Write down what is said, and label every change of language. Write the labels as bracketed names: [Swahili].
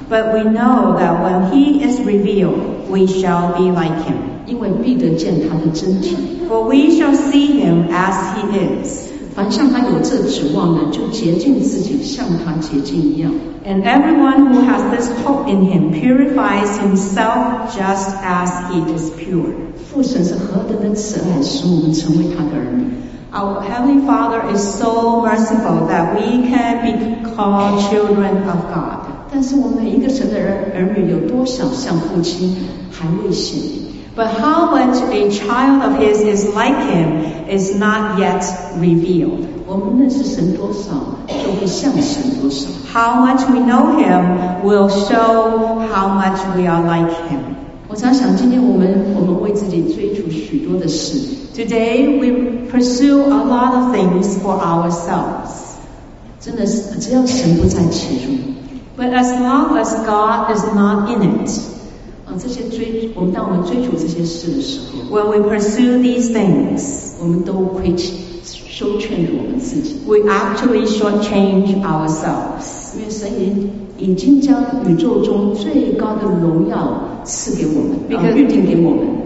[English] But we know that when he is revealed, we shall be like him. [Chinese] 因为必得见他的真体。 [English] For we shall see him as he is. [Chinese] 凡像他有这指望的，就洁净自己，像他洁净一样。 [English] And everyone who has this hope in him purifies himself just as he is pure. [Chinese] 父神是何等的慈爱，使我们成为他的儿女。 [English] Our Heavenly Father is so merciful that we can be called children of God. [Chinese] 但是我们一个神的儿女有多少像父亲还未显明。 [English] But how much a child of his is like him is not yet revealed. [Chinese] 我们认识神多少，就会像神多少。 [English] How much we know him will show how much we are like him. [Chinese] 我常想今天我们为自己追逐许多的事。 [English] Today we pursue a lot of things for ourselves. [Chinese] 真的是只要神不在其中。 [English] But as long as God is not in it, [Chinese] 这些追我们当我们追逐这些事的时候 [English] ,when we pursue these things, [Chinese] 我们都亏欠。 [English] We actually shortchange ourselves. [Chinese] 因为神已经将宇宙中最高的荣耀赐给我们，预定给我们。